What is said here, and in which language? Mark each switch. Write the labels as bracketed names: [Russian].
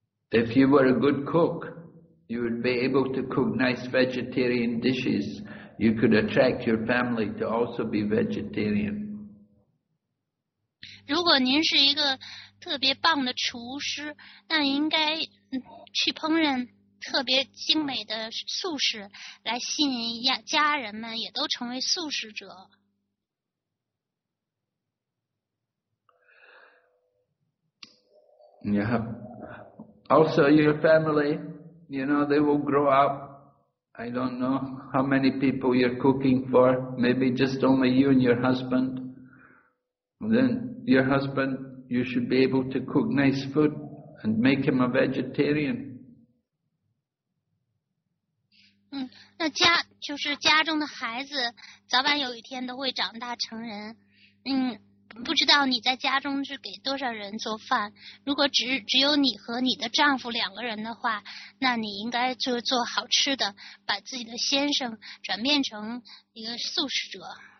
[English] If you were a good cook, you would be able to cook nice vegetarian dishes. You could attract your family to also be vegetarian. [Chinese] 如果您是一个特别棒的厨师，那应该去烹饪特别精美的素食，来吸引家人们也都成为素食者。 Yeah. [English] Also, your family, you know, they will grow up. I don't know how many people you're cooking for. Maybe just only you and your husband. And then your husband, you should be able to cook nice food and make him a vegetarian. [Chinese] 那家就是家中的孩子，早晚有一天都会长大成人。不知道你在家中是给多少人做饭，如果只有你和你的丈夫两个人的话，那你应该就做好吃的，把自己的先生转变成一个素食者。